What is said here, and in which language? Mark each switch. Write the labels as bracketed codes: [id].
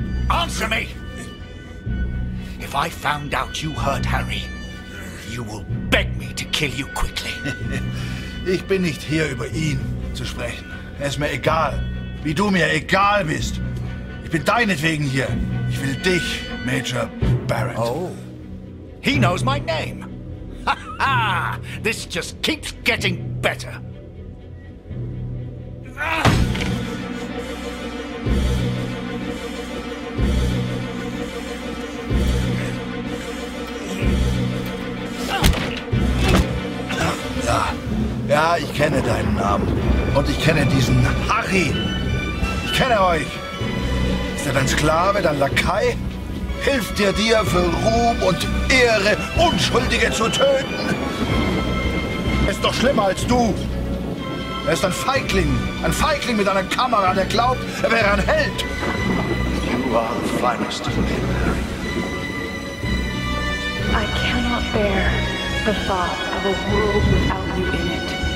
[en] Answer me! If I found out you hurt Harry, you will beg me to kill you quickly. [de] Ich bin nicht hier, über ihn zu sprechen. Es ist mir egal, wie du mir egal bist. Ich bin deinetwegen hier. Ich will dich, Major Barrett. [en] Oh. He knows my name. Ha ha! This just keeps getting better. [de] Ja, ich kenne deinen Namen. Und ich kenne diesen Harry. Ich kenne euch. Ist er dein Sklave, dein Lakai? Hilft er dir für Ruhm und Ehre, Unschuldige zu töten? Ist doch schlimmer als du. Er ist ein Feigling. Ein Feigling mit einer Kamera, der glaubt, er wäre ein Held. [en] You are the finest of men, Harry. I cannot bear the thought of a world without you in it.